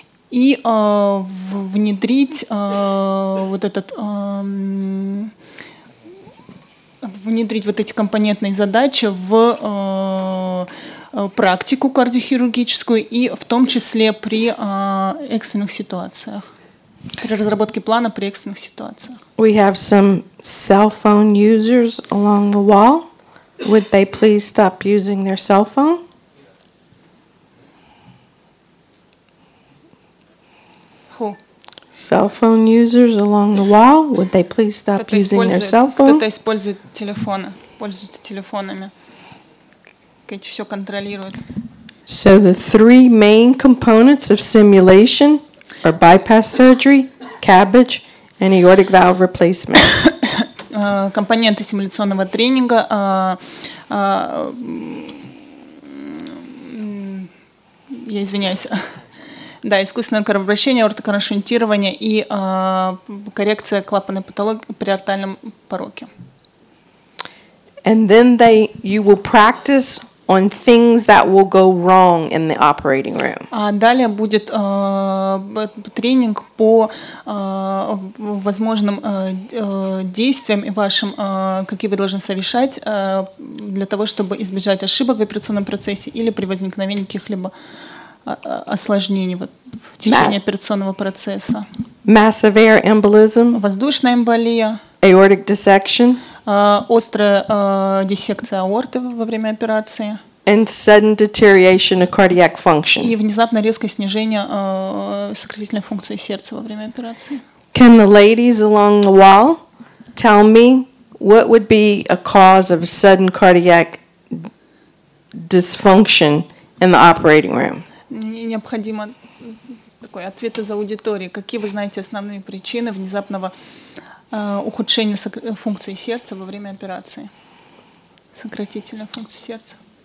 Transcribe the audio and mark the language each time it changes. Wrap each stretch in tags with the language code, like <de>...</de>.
<ru>и внедрить вот эти компонентные задачи в практику кардиохирургическую, и в том числе при экстренных ситуациях. При разработке плана при экстренных ситуациях.</ru> <en>We have some cell phone users along the wall. Would they please stop using their cell phone? Who? Cell phone users along the wall. Would they please stop using their cell phone?</en> <ru>Кто-то использует телефоны. Пользуются телефонами. Кто-то все контролирует.</ru> <en>So the three main components of simulation are bypass surgery, CABG, and aortic valve replacement.</en> <ru>Компоненты симуляционного тренинга я извиняюсь. Да, искусственное кровообращение, аортокорношунтирование и коррекция клапанной патологии при артальном пороке.</ru> <en>And then you will practice on things that will go wrong in the operating room.</en> <ru>А далее будет тренинг по возможным действиям и вашим, какие вы должны совершать для того, чтобы избежать ошибок в операционном процессе или при возникновении каких-либо осложнений в течение операционного процесса.</ru> <en>Massive air embolism.</en> <ru>Воздушная эмболия.</ru> <en>Aortic dissection.</en> <ru>Острая диссекция аорты во время операции.</ru> <en>And sudden deterioration of cardiac function.</en> <ru>И внезапное резкое снижение сократительной функции сердца во время операции.</ru> <en>Can the ladies along the wall tell me what would be a cause of sudden cardiac dysfunction in the operating room?</en> <ru>Необходимо такой ответ из аудитории. Какие вы знаете основные причины внезапного ухудшения функции сердца во время операции? Сократительная функция сердца.</ru>